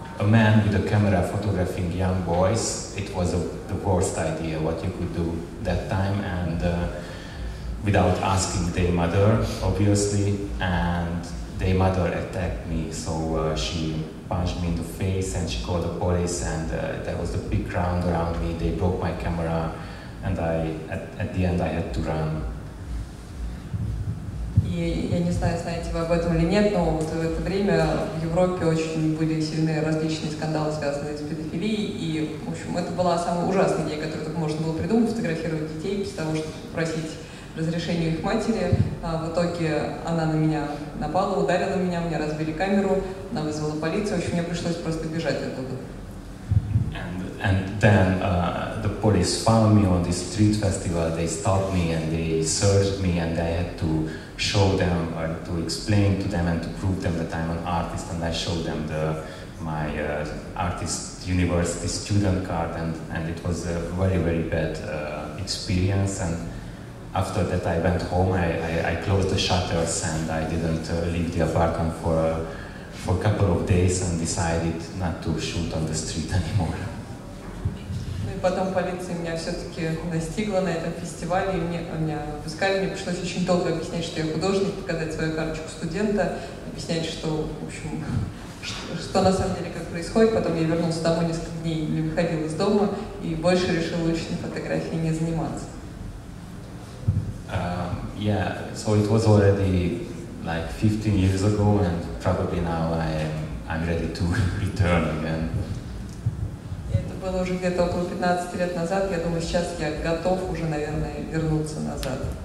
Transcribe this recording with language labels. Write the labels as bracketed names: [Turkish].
[English] a man with a camera photographing young boys, it was the worst idea what you could do that time, and without asking their mother, obviously, and their mother attacked me, so she punched me in the face and she called the police, and there was a big crowd around me, they broke my camera, and at the end I had to run. [Russian] И я не знаю, знаете вы об этом или нет, но вот в это время в Европе очень были сильны различные скандалы, связанные с педофилией. И, в общем, это была самая ужасная идея, которую только можно было придумать, фотографировать детей, без того, чтобы попросить разрешение у их матери. А в итоге она на меня напала, ударила меня, мне разбили камеру, она вызвала полицию. В общем, мне пришлось просто бежать оттуда. [English] And then the police found me on this street festival, they stopped me and they searched me, and I had to show them or to explain to them and to prove them that I'm an artist, and I showed them my artist university student card, and it was a very, very bad experience. And after that I went home, I closed the shutters and I didn't leave the apartment for a couple of days, and decided not to shoot on the street anymore. [Russian] Потом полиция меня все-таки настигла на этом фестивале, и меня выпускали. Мне пришлось очень долго объяснять, что я художник, показать свою карточку студента, объяснять, что, в общем, что на самом деле как происходит. Потом я вернулся домой несколько дней, не выходил из дома, и больше решил уличной фотографией не заниматься. [English] Yeah, so it was already like 15 years ago, and probably now I'm ready to return again. [Russian] Было уже где-то около 15 лет назад. Я думаю, сейчас я готов уже, наверное, вернуться назад.